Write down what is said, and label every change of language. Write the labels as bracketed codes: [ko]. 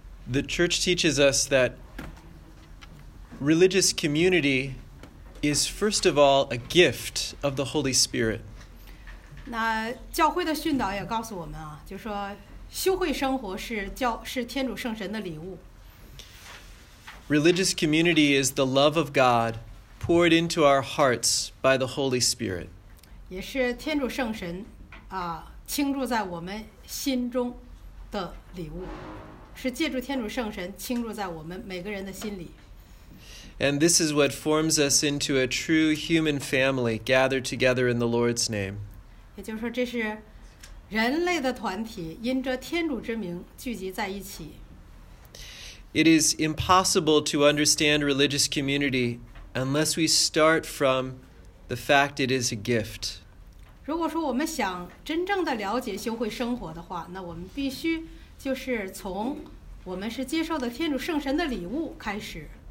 [en] The church teaches us that religious community is first of all a gift of the Holy Spirit. [zh] 那教会的训导也告诉我们啊，就说修会生活是天主圣神的礼物。 [en] Religious community is the love of God poured into our hearts by the Holy Spirit. [zh] 也是天主圣神啊倾注在我们心中的礼物，是借助天主圣神倾注在我们每个人的心里。 [en] And this is what forms us into a true human family gathered together in the Lord's name. [zh] 也就是说，这是人类的团体因着天主之名聚集在一起。 [en] It is impossible to understand religious community unless we start from the fact it is a gift. [zh] 如果说我们想真正的了解修会生活的话，那我们必须就是从我们是接受的天主圣神的礼物开始。